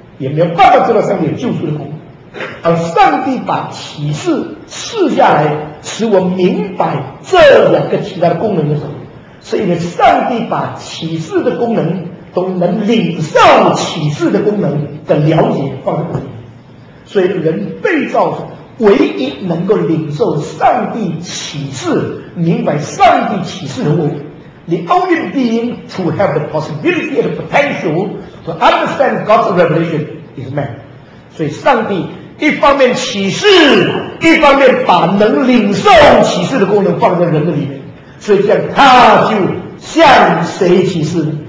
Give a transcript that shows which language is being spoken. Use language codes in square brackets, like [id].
[zh] 也没有办法知道上帝有救赎的功夫。而上帝把启示赐下来使我明白这两个其他的功能的时候，是因为上帝把启示的功能都能领受启示的功能的了解放在里面，所以人被造唯一能够领受上帝启示明白上帝启示的人。 [en] The only being to have the possibility and the potential to understand God's revelation is man. [zh] 所以上帝一方面启示，一方面把能领受启示的功能放在人的里面，所以这样他就向谁启示？